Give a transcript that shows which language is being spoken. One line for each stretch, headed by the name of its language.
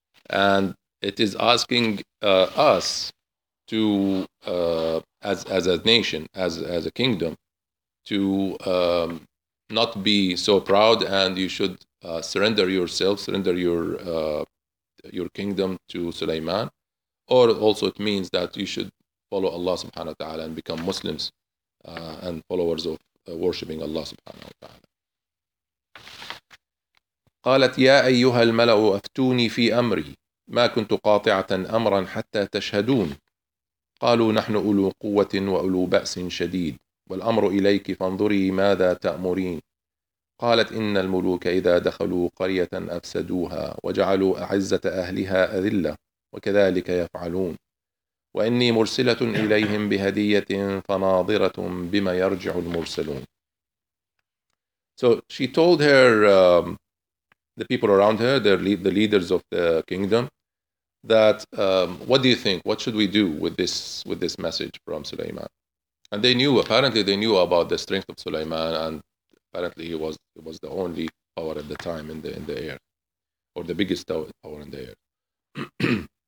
English: And it is asking us to, as a nation, as a kingdom, to not be so proud, and you should surrender yourself, surrender your kingdom to Sulaiman. Or also it means that you should follow Allah subhanahu wa ta'ala and become Muslims and followers of worshipping Allah subhanahu wa ta'ala.
Arabic: قالت يا أيها الملأ أفتوني في أمري ما كنت قاطعة أمرا حتى تشهدون قالوا نحن أولو قوة وأولو بأس شديد والأمر إليك فانظري ماذا تأمرين قالت إن الملوك إذا دخلوا قرية أفسدوها وجعلوا أعزة أهلها أذلة وكذلك يفعلون وإني مرسلة إليهم بهدية فناظرة بما يرجع المرسلون.
English: So she told her the people around her, the leaders of the kingdom, that what do you think? What should we do with this message from Sulaiman? And they knew, apparently they knew about the strength of Sulaiman, and apparently he was the only power at the time in the air, or the biggest power in the air.